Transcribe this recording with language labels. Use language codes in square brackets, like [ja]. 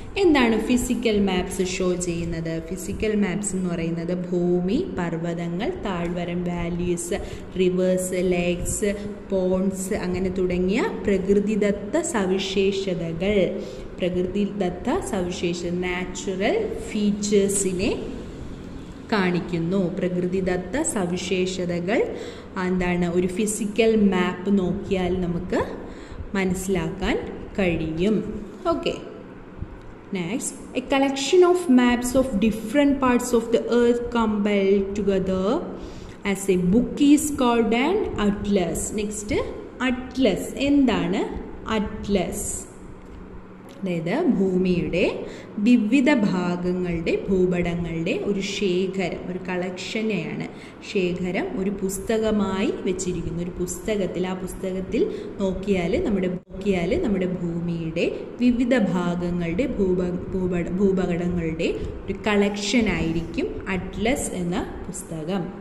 [ml] എന്താണ് physical maps show ചെയ്യുന്നത്? Physical maps എന്ന് പറയുന്നത് ഭൂമി, പർവ്വതങ്ങൾ, താഴ്വരം, വാല്യൂസ്, റിവേഴ്സ്, ലേക്സ്, പോണ്ട്സ്, അങ്ങനെ തുടങ്ങിയ പ്രകൃതിദത്ത സവിശേഷതകൾ, പ്രകൃതിദത്ത സവിശേഷത, നാച്ചുറൽ ഫീച്ചേഴ്സിനെ കാണിക്കുന്നു. പ്രകൃതിദത്ത സവിശേഷതകൾ എന്താണ് ഒരു ഫിസിക്കൽ മാപ്പ് നോക്കിയാൽ നമുക്ക് മനസ്സിലാക്കാൻ കഴിയും. [en] Okay, next a collection of maps of different parts of the earth compiled together as a book is called an atlas. Next, atlas. എന്താണ് atlas? [ml] അതായത് ഭൂമിയുടെ വിവിധ ഭാഗങ്ങളുടെ, ഭൂപടങ്ങളുടെ ഒരു ശേഖരം, ഒരു കളക്ഷനെയാണ് ശേഖരം, ഒരു പുസ്തകമായി വെച്ചിരിക്കുന്നു. ഒരു പുസ്തകത്തിൽ, ആ പുസ്തകത്തിൽ നോക്കിയാൽ നമ്മുടെ ഭൂമിയുടെ വിവിധ ഭാഗങ്ങളുടെ ഭൂപടങ്ങളുടെ ഒരു കളക്ഷനായിരിക്കും അറ്റ്ലസ് എന്ന പുസ്തകം.